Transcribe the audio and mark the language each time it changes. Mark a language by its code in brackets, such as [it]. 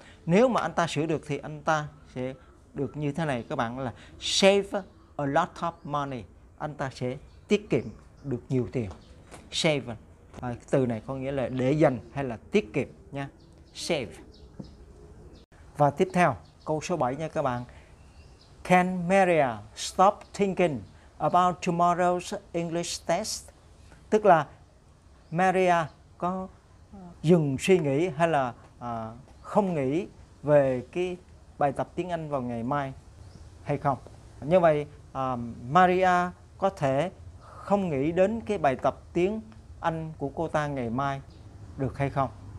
[vi] Nếu mà anh ta sửa được thì anh ta sẽ được như thế này các bạn, là [en] save a lot of money. [vi] Anh ta sẽ tiết kiệm được nhiều tiền. Save. À, từ này có nghĩa là để dành hay là tiết kiệm nha. Save. Và tiếp theo. Câu số 7 nha các bạn. [en] Can Maria stop thinking about tomorrow's English test? [vi] Tức là Maria có dừng suy nghĩ hay là không nghĩ về cái bài tập tiếng Anh vào ngày mai hay không? Như vậy, Maria có thể không nghĩ đến cái bài tập tiếng Anh của cô ta ngày mai được hay không?